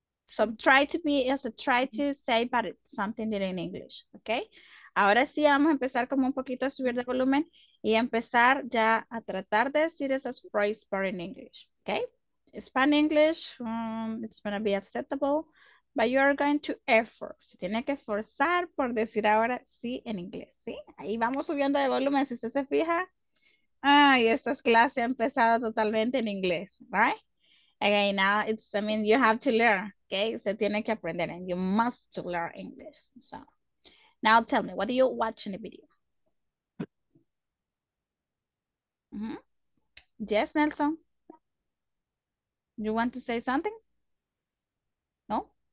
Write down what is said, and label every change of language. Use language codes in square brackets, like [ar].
[en] So try to say, but it's something in English, okay? [es] Ahora sí vamos a empezar como un poquito a subir de volumen y empezar ya a tratar de decir esas phrases, but in English, okay? [en] Spanish, it's going to be acceptable, but you are going to effort. [es] Se tiene que esforzar por decir ahora sí en inglés, ¿sí? Ahí vamos subiendo de volumen, si usted se fija. Ay, esta clase ha empezado totalmente en inglés, right? [en] Okay, now it's, I mean, you have to learn, okay? Se tiene que aprender, and you must learn English. So, now tell me, what do you watch in the video? Mm-hmm. Yes, Nelson? You want to say something? No?